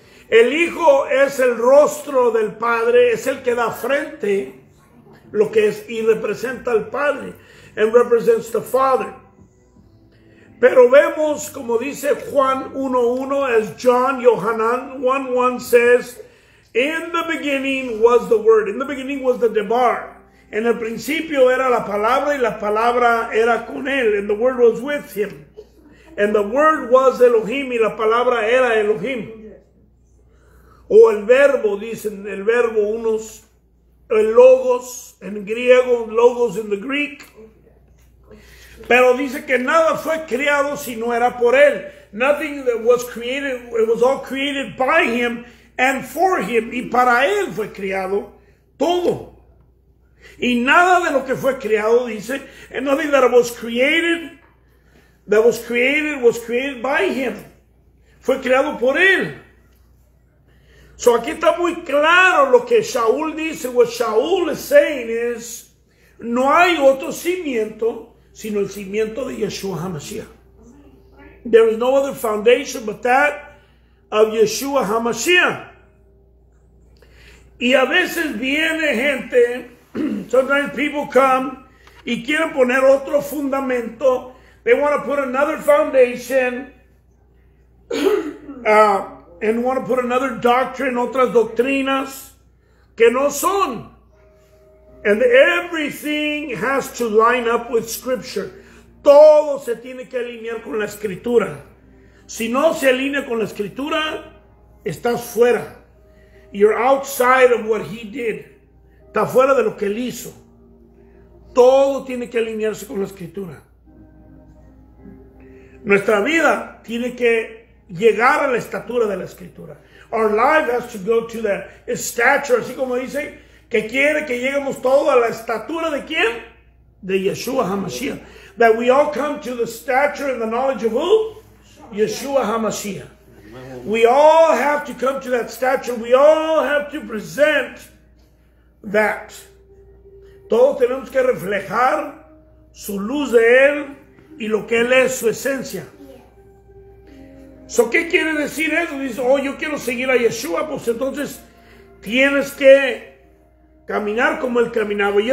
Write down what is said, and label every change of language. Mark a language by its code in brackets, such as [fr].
[es] El Hijo es el rostro del Padre, es el que da frente lo que es y representa al Padre, [en] and represents the Father. [es] Pero vemos, como dice Juan 1:1, [en] as John Yohanan 1:1 says, in the beginning was the Word, in the beginning was the Debar. [es] En el principio era la palabra y la palabra era con él. [en] And the word was with him. And the word was Elohim [es] y la palabra era Elohim. O el verbo, dicen el verbo unos. El logos en griego, [en] logos in the Greek. [es] Pero dice que nada fue creado si no era por él. [en] Nothing that was created, it was all created by him and for him. [es] Y para él fue creado todo. Y nada de lo que fue creado, dice, [en] and nothing that was created was created by him. [es] Fue creado por él. So aquí está muy claro lo que Shaul dice. [en] What Shaul is saying is, [es] no hay otro cimiento sino el cimiento de Yeshua HaMashiach. [en] There is no other foundation but that of Yeshua HaMashiach. [es] Y a veces viene gente. [en] Sometimes people come [es] y quieren poner otro fundamento. [en] They want to put another foundation and want to put another doctrine, [es] otras doctrinas que no son. [en] And everything has to line up with Scripture. [es] Todo se tiene que alinear con la Escritura. Si no se alinea con la Escritura, estás fuera. [en] You're outside of what he did. [es] Está fuera de lo que él hizo. Todo tiene que alinearse con la Escritura. Nuestra vida tiene que llegar a la estatura de la Escritura. [en] Our life has to go to the stature, [es] así como dice, que quiere que lleguemos todos a la estatura de quién? De Yeshua HaMashiach. [en] That we all come to the stature and the knowledge of who? Yeshua HaMashiach. We all have to come to that stature. We all have to present that. [es] Todos tenemos que reflejar su luz de Él y lo que Él es, su esencia. So, ¿qué quiere decir eso? Dice, oh, yo quiero seguir a Yeshua. Pues entonces tienes que caminar como Él caminaba.